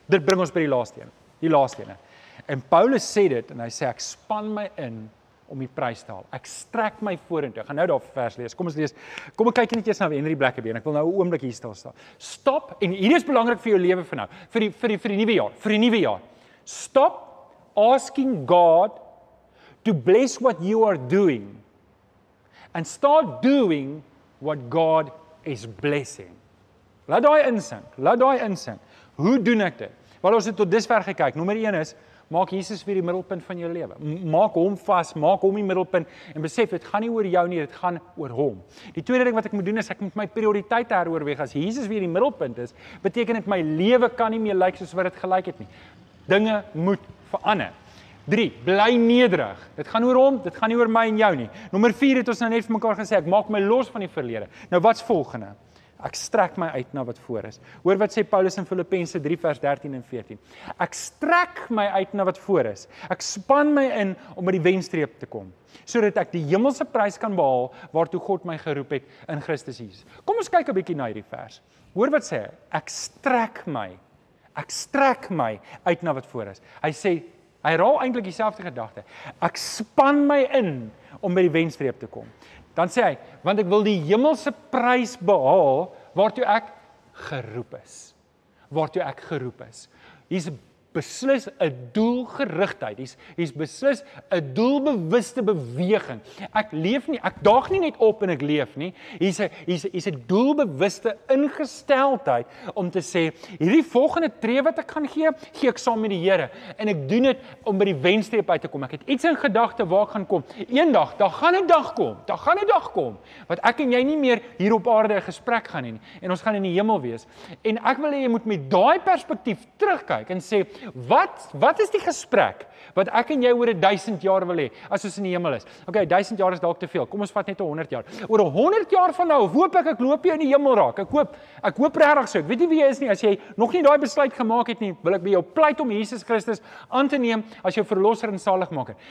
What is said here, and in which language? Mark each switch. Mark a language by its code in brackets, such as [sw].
[af] Dit bring ons by die laaste een. Die laaste een. En Paulus sê dit en hy sê, ek span my in om die prys te haal. Ek strek my vorentoe. Ek gaan nou daar vers lees. Kom ons lees. Kom ek kyk net eers na Henry Blackaby. Ek wil nou 'n oomblik hier stil staan. Stop en hier is belangrik vir jou lewe van nou. Vir die nuwe jaar, vir die nuwe jaar. [en] Stop asking God to bless what you are doing and start doing what God is blessing. [af] Laat daai insink. Laat daai insink. Hoe doen ek dit? Wel, ons het tot dusver gekyk. Nommer 1 is maak Jesus weer die middelpunt van jou lewe. Maak hom vas, maak hom die middelpunt en besef, dit gaan nie oor jou nie, dit gaan oor hom. Die tweede ding wat ek moet doen is, ek moet my prioriteite heroorweeg. As Jesus weer die middelpunt is, beteken dit my lewe kan nie meer lyk soos wat dit gelyk het nie. Dinge moet verander. 3, bly nederig. Dit gaan oor hom, dit gaan nie oor my en jou nie. Nommer 4 het ons nou net vir mekaar gesê, ek maak my los van die verlede. Nou wat's volgende? Ek strek my uit na wat voor is. Hoor wat sê Paulus in Filippense 3 vers 13 en 14. Ek strek my uit na wat voor is. Ek span my in om by die wenstreep te kom, sodat ek die hemelse prys kan behaal waartoe God my geroep het in Christus Jesus. Kom ons kyk 'n bietjie na hierdie vers. Hoor wat sê hy? Ek strek my uit na wat voor is. Hy sê, hy herhaal eintlik dieselfde gedagte. Ek span my in om by die wenstreep te kom. Dan sê hy, want ek wil die hemelse prys behaal waartoe ek geroep is. Waartoe ek geroep is. Hier's 'n beslis een doelgerichtheid. Hy's beslis een doelbewuste beweging. Ek leef nie, ek daag nie net op en ek leef nie. Hy's een doelbewuste ingesteldheid om te sê, hierdie volgende tree wat ek kan gee ek saam met die Here. En ek doen het om by die wenstreep uit te kom. Ek het iets in gedagte waar ek gaan kom. Eendag, daar gaan een dag kom, wat ek en jy nie meer hier op aarde een gesprek gaan nie. En ons gaan in die hemel wees. En ek wil jy moet met daai perspektief terugkyk en sê, Wat is die gesprek wat ek en jy oor 1000 jaar wil hê as ons in die hemel is? Okay, 1000 jaar is dalk te veel. Kom ons vat net 100 jaar. Oor 100 jaar van nou, hoop ek loop jy in die hemel raak. Ek hoop regtig so. Ek weet nie wie jy is nie. As jy nog nie daai besluit gemaak het nie, wil ek by jou pleit om Jesus Christus aan te neem as jou verlosser en saligmaker.